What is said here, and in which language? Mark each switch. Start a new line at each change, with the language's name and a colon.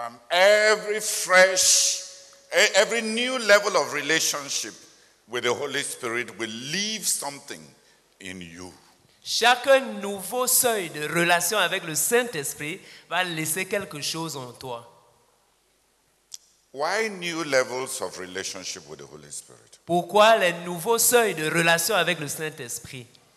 English: Every new level of relationship with the Holy Spirit will leave something in you.
French: Chaque nouveau seuil de relation avec le Saint-Esprit va laisser quelque chose en toi.
English: Why new levels of relationship with the Holy Spirit?
French: Pourquoi les nouveaux seuils de relation avec le Saint-Esprit?